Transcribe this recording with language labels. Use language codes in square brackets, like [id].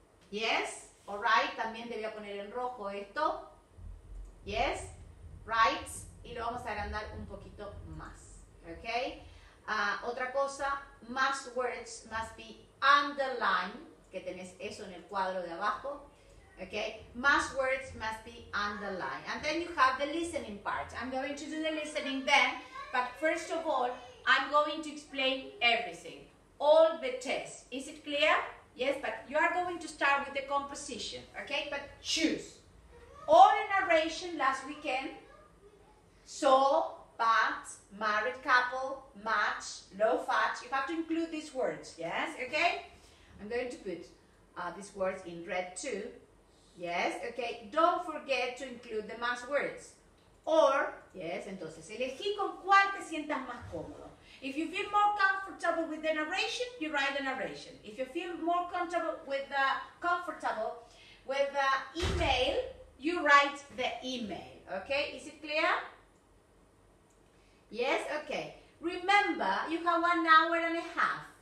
[en] Yes, all right, [es] también debía poner en rojo esto. [en] Yes, right, [es] y lo vamos a agrandar un poquito más, okay? Otra cosa, [en] must words must be underlined, [es] que tenés eso en el cuadro de abajo. [en] Okay, mass words must be underlined. And then you have the listening part. I'm going to do the listening then, but first of all, I'm going to explain everything, all the tests. Is it clear? Yes, but you are going to start with the composition, okay? But choose. All a narration last weekend, saw, bat, married couple, match, low fat. You have to include these words, yes, okay? I'm going to put these words in red too. Yes, okay, don't forget to include the mass words. Or, yes, [es] entonces, elegí con cuál te sientas más cómodo. [en] If you feel more comfortable with the narration, you write the narration. If you feel more comfortable with the email, you write the email. Okay, is it clear? Yes, okay. Remember, you have 1 hour and a half.